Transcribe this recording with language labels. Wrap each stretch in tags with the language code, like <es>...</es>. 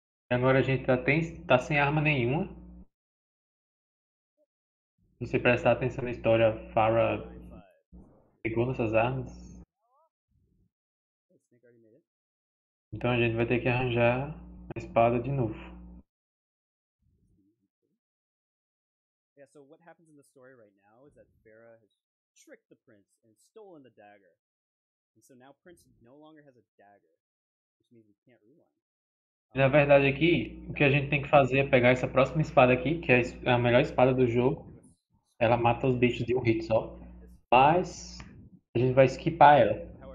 <pt>Agora a gente tá sem arma nenhuma. Se você prestar atenção na história, Farah pegou nossas armas. Então a gente vai ter que arranjar a espada de novo.</pt> <en>Yeah, so what happens in the story right now is that Pharah has tricked the prince and stolen the dagger. And so now Prince no longer has a dagger, which means he can't rewind.</en> <pt>Na verdade aqui, o que a gente tem que fazer é pegar essa próxima espada aqui, que é a melhor espada do jogo. Ela mata os bichos de um hit só. Mas a gente vai skipar ela.</pt>